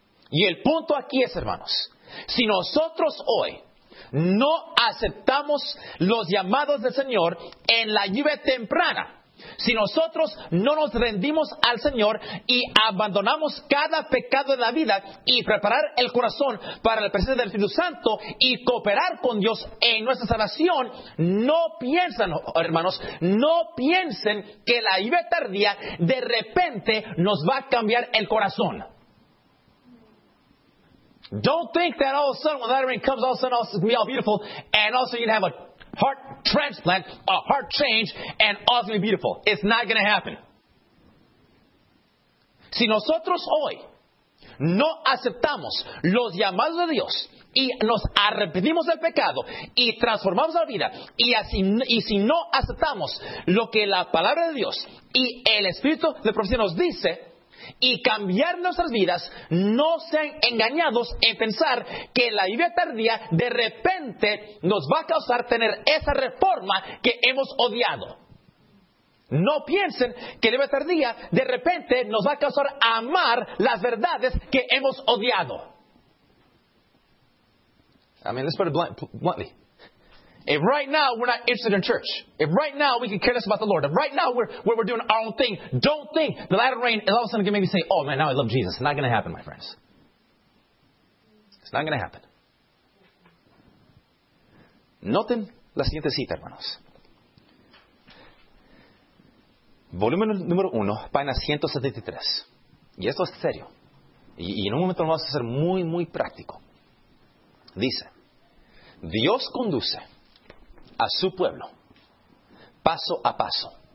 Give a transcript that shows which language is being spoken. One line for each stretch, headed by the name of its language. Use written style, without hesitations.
Spanish: Y el punto aquí es, hermanos, si nosotros hoy no aceptamos los llamados del Señor en la lluvia temprana, si nosotros no nos rendimos al Señor y abandonamos cada pecado de la vida y preparar el corazón para la presencia del Espíritu Santo y cooperar con Dios en nuestra salvación, no piensen, hermanos, no piensen que la lluvia tardía de repente nos va a cambiar el corazón.
English: Don't think that all of a sudden when that rain comes, all of a sudden it's going to be all beautiful and all of a sudden you have a heart transplant, a heart change, and all is going to be beautiful. It's not going to happen.
Spanish: Si nosotros hoy no aceptamos los llamados de Dios y nos arrepentimos del pecado y transformamos la vida, y si no aceptamos lo que la palabra de Dios y el Espíritu de profecía nos dice, y cambiar nuestras vidas, no sean engañados en pensar que la lluvia tardía de repente nos va a causar tener esa reforma que hemos odiado. No piensen que la lluvia tardía de repente nos va a causar amar las verdades que hemos odiado.
English: I mean, let's put it bluntly. If right now we're not interested in church, if right now we can care less about the Lord, if right now we're doing our own thing, don't think the latter rain is all of a sudden going to make me say, oh man, now I love Jesus. It's not going to happen, my friends. It's not going to happen.
Spanish: Noten la siguiente cita, hermanos. Volumen número 1, página 173. Y esto es serio. Y en un momento lo vamos a hacer muy, muy práctico. Dice, Dios conduce a su pueblo, paso a paso.